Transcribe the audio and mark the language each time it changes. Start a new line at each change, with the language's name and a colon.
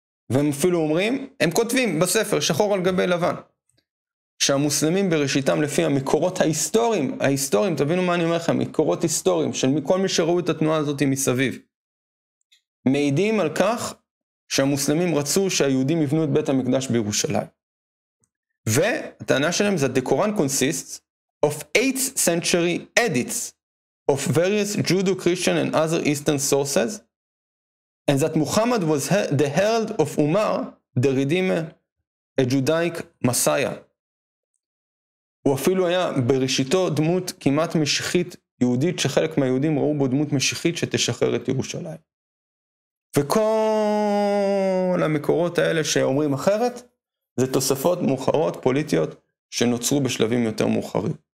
Hebrew: והם אפילו אומרים, הם כותבים בספר שחור על גבי לבן, שהמוסלמים בראשיתם לפי המקורות ההיסטוריים, תבינו מה אני אומר לכם, מקורות היסטוריים של כל מי שראו את התנועה הזאת מסביב, מעידים על כך שהמוסלמים רצו שהיהודים יבנו את בית המקדש בירושלים. והטענה שלהם זה,
English: the Quran consists of 8th century edits of various Judeo-Christian and other Eastern sources, and that Muhammad was the herald of Umar, the Redeemer, a Judaic Messiah.
Hebrew: הוא אפילו היה בראשיתו דמות כמעט משיחית יהודית, שחלק מהיהודים ראו בו דמות משיחית שתשחרר את ירושלים. וכל המקורות האלה שאומרים אחרת, זה תוספות מאוחרות פוליטיות שנוצרו בשלבים יותר מאוחרים.